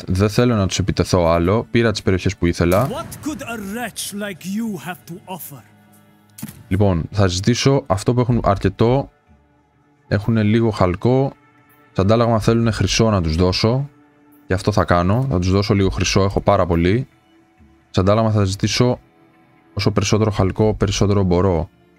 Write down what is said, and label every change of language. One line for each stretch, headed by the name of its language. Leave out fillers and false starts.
Greek: Δεν θέλω να τους επιτεθώ άλλο. Πήρα τις περιοχές που ήθελα.
English: What could a wretch like you have to offer?
Greek: Λοιπόν, θα ζητήσω αυτό που έχουν αρκετό. Έχουν λίγο χαλκό. Σε αντάλλαγμα θέλουν χρυσό να τους δώσω. Γι' αυτό θα κάνω. Θα τους δώσω λίγο χρυσό. Έχω πάρα πολύ. Σε αντάλλαγμα θα ζητήσω όσο περισσότερο χαλκό, περισσότερο μπορώ.